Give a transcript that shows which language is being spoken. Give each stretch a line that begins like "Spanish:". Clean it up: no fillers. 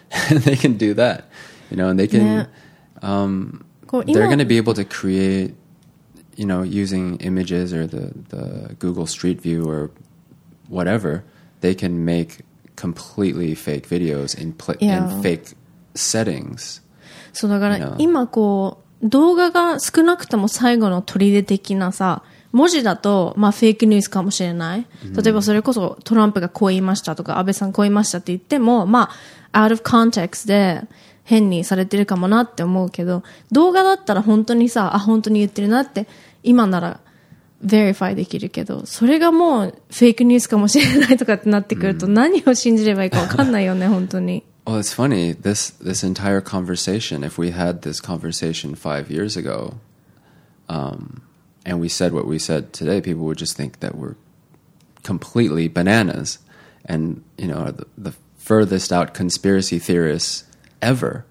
English: And they can do that, you know, and they can, they're going to be able to create, you know, using images or the Google Street View or whatever, they can make completely fake videos in fake settings.
Japanese: そうだから今こう動画が少なくとも最後の砦的なさ文字だとまあフェイクニュースかもしれない。例えばそれこそトランプがこう言いましたとか安倍さんこう言いましたって言ってもまあ
English: out of context
Japanese: で変にされてるかもなって思うけど動画だったら本当にさあ本当に言ってるなって今なら verify できるけどそれがもうフェイクニュースかもしれないとかってなってくると何を信じればいいか分かんないよね本当に。
English: Well, it's funny, this entire conversation, if we had this conversation 5 years ago, and we said what we said today, people would just think that we're completely bananas and, you know, the furthest out conspiracy theorists ever.